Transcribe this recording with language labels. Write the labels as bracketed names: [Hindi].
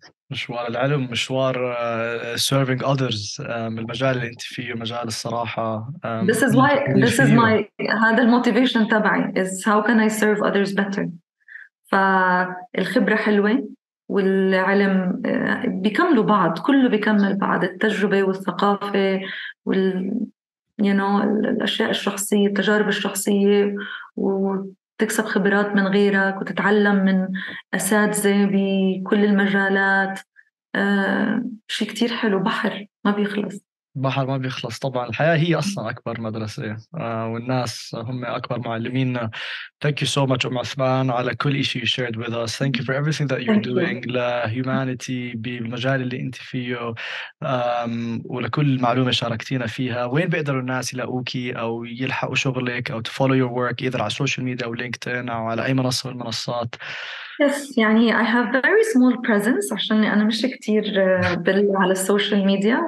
[Arabic] مشوار العلم، مشوار [English] serving others، [Arabic] من المجال اللي انت فيه، مجال الصراحة [English] this is my [Arabic] هذا الموتيفيشن تبعي [English] is how can I serve others better. [Arabic] فالخبرة حلوة والعلم بيكملوا بعض، كله بيكمل بعض، التجربة والثقافة وال [English] you know [Arabic] الأشياء الشخصية، التجارب الشخصية، و تكسب خبرات من غيرك وتتعلم من أساتذة بكل المجالات. شيء كتير حلو، بحر ما بيخلص. بحر ما بيخلص طبعاً، الحياة هي أصلاً أكبر مدرسة، والناس هم أكبر معلمين. [English] Thank you so much أم عثمان [Arabic] على كل إشي [English] you shared with us. Thank you for everything that you're doing لـ humanity [Arabic] بالمجال اللي أنت فيه، ولكل معلومة شاركتينا فيها. وين بيقدر الناس يلاقوكي أو يلحقوا شغلك أو [English] to follow your work، [Arabic] إذا على social media أو LinkedIn أو على أي منصة من المنصات؟ Yes, يعني [English] I have very small presence [Arabic] عشان أنا مش كتير بال على السوشيال ميديا.